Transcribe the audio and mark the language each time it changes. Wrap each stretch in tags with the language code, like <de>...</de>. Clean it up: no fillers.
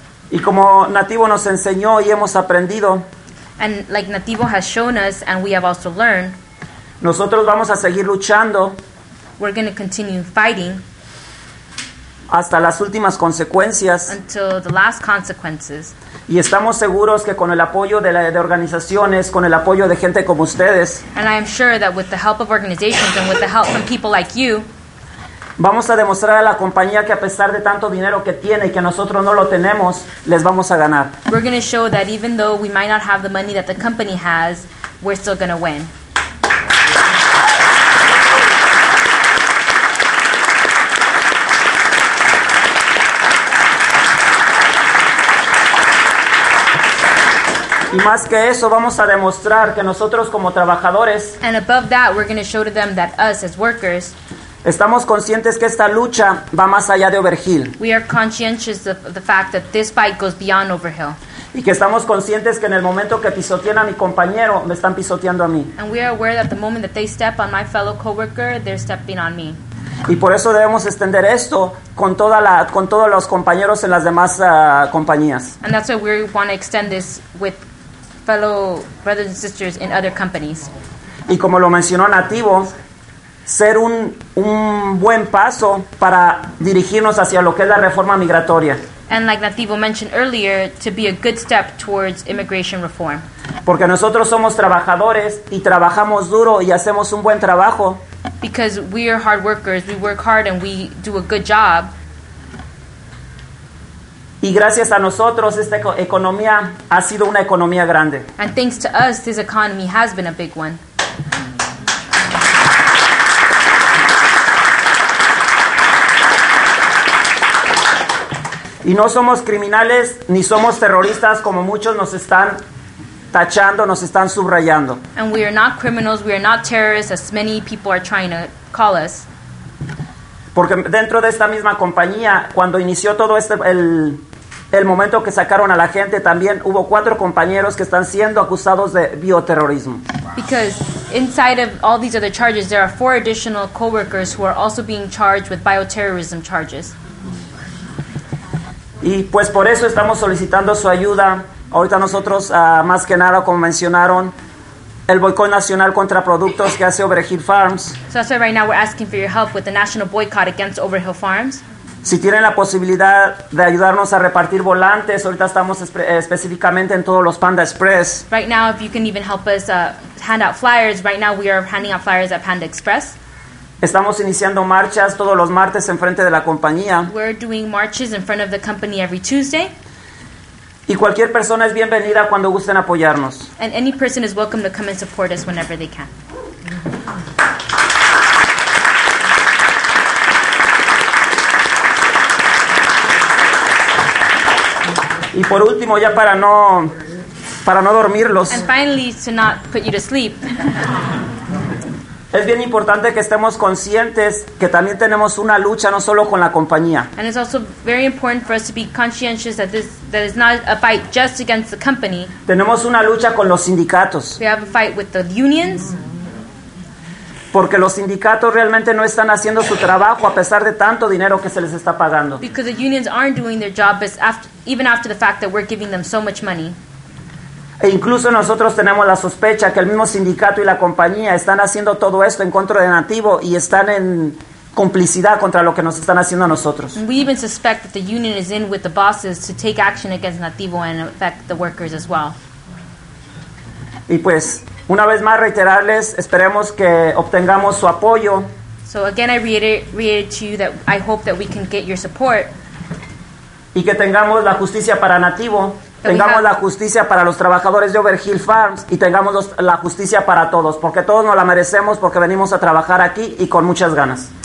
<es>Y como Nativo nos enseñó y hemos aprendido,</es> <en>and like Nativo has shown us and we have also learned,</en> <es>nosotros vamos a seguir luchando.</es> <en>We're going to continue fighting</en> <es>hasta las últimas consecuencias,</es> <en>until the last consequences.</en> <es>Y estamos seguros que con el apoyo de organizaciones, con el apoyo de gente como ustedes,</es> <en>and I am sure that with the help of organizations and with the help from people like you,</en> <es>Vamos a demostrar a la compañía que a pesar de tanto dinero que tiene y que nosotros no lo tenemos, les vamos a ganar.</es> <en>We're going to show that even though we might not have the money that the company has, we're still going to win.</en> <es>Y más que eso, vamos a demostrar que nosotros como trabajadores,</es> <en>and above that, we're going to show to them that us as workers,</en> <es>estamos conscientes que esta lucha va más allá de Overhill.</es> <en>We are conscientious of the fact that this fight goes beyond Overhill.</en> <es>Y que estamos conscientes que en el momento que pisotean a mi compañero, me están pisoteando a mí.</es> <en>And we are aware that the moment that they step on my fellow coworker, they're stepping on me.</en> <es>Y por eso debemos extender esto con toda la, con todos los compañeros en las demás compañías.</es> <en>And that's why we want to extend this with fellow brothers and sisters in other companies.</en> <es>Y como lo mencionó Nativo, ser un buen paso para dirigirnos hacia lo que es la reforma migratoria.</es> <en>And like Nativo mentioned earlier, to be a good step towards immigration reform.</en> <es>Porque nosotros somos trabajadores y trabajamos duro y hacemos un buen trabajo.</es> <en>Because we are hard workers, we work hard and we do a good job.</en> <es>Y gracias a nosotros esta economía ha sido una economía grande.</es> <en>And thanks to us, this economy has been a big one.</en> <es>Y no somos criminales ni somos terroristas como muchos nos están tachando, nos están subrayando.</es> <en>And we are not criminals, we are not terrorists, as many people are trying to call us.</en> <es>Porque dentro de esta misma compañía, cuando inició todo este el momento que sacaron a la gente, también hubo cuatro compañeros que están siendo acusados de bioterrorismo.</es> <en>Because inside of all these other charges, there are four additional coworkers who are also being charged with bioterrorism charges.</en> <es>Y pues por eso estamos solicitando su ayuda. Ahorita nosotros, más que nada, como mencionaron, el boicot nacional contra productos que hace Overhill Farms.</es> <en>So that's why right now we're asking for your help with the national boycott against Overhill Farms.</en> <es>Si tienen la posibilidad de ayudarnos a repartir volantes, ahorita estamos específicamente en todos los Panda Express.</es> <en>Right now, if you can even help us hand out flyers, right now we are handing out flyers at Panda Express.</en> <es>Estamos iniciando marchas todos los martes en frente de la compañía.</es> <en>We're doing marches in front of the company every Tuesday.</en> <es>Y cualquier persona es bienvenida cuando gusten apoyarnos.</es> <en>And any person is welcome to come and support us whenever they can.</en> <es>Y por último, ya para no dormirlos.</es> <en>And finally, to not put you to sleep.</en> <es>Es bien importante que estemos conscientes que también tenemos una lucha no solo con la compañía.</es> <en>And it's also very important for us to be conscientious that this that is not a fight just against the company.</en> <es>Tenemos una lucha con los sindicatos.</es> <en>We have a fight with the unions.</en> <es>Porque los sindicatos realmente no están haciendo su trabajo a pesar de tanto dinero que se les está pagando.</es> <en>Because the unions aren't doing their job even after the fact that we're giving them so much money.</en> <es>E incluso nosotros tenemos la sospecha que el mismo sindicato y la compañía están haciendo todo esto en contra de Nativo y están en complicidad contra lo que nos están haciendo a nosotros.</es> <en>We even suspect that the union is in with the bosses to take action against Nativo and affect the workers as well.</en> <es>Y pues, una vez más reiterarles, esperemos que obtengamos su apoyo.</es> <en>So again, I reiterate to you that I hope that we can get your support.</en> <es>Y que tengamos la justicia para Nativo. Tengamos la justicia para los trabajadores de Overhill Farms y tengamos la justicia para todos, porque todos nos la merecemos porque venimos a trabajar aquí y con muchas ganas.</es>